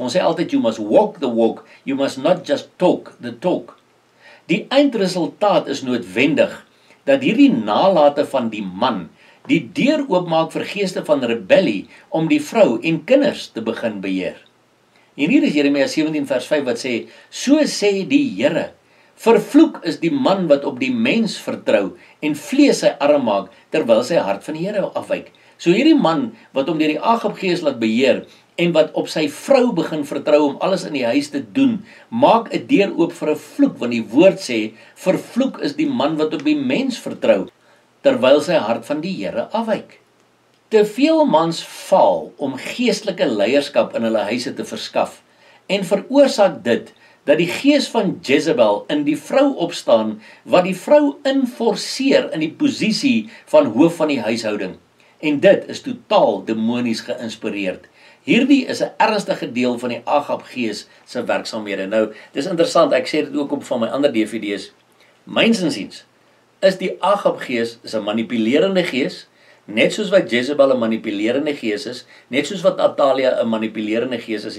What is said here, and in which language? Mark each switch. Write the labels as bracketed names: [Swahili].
[Afrikaans] Ons sê altyd, [English] you must walk the walk, you must not just talk the talk. [Afrikaans] Die eindresultaat is noodwendig, dat hierdie nalate van die man, die deur oopmaak vir geeste van rebellie, om die vrou en kinders te begin beheer. En hier is Jeremia 17 vers 5 wat sê, so sê die Here, vervloek is die man wat op die mens vertrou en vlees sy arm maak, terwyl sy hart van die Here afwyk. So hierdie man wat hom deur die Agab gees laat beheer en wat op sy vrou begin vertrou om alles in die huis te doen, maak 'n deur oop vir 'n vloek, want die woord sê, vervloek is die man wat op die mens vertrou, terwyl sy hart van die Here afwyk. Te veel mans faal om geestelike leierskap in hulle huise te verskaf en veroorsaak dit dat die gees van Jezebel in die vrou opstaan wat die vrou inforceer in die posisie van hoof van die huishouding. En dit is totaal demonies geïnspireerd. Hierdie is 'n ernstige deel van die Agab gees se werksamhede. Nou, dis interessant, ek sê dit ook op van my ander DVD's. Mynsinsiens is die Agab gees 'n manipulerende gees, net soos wat Jezebel 'n manipulerende gees is, net soos wat Natalia 'n manipulerende gees is.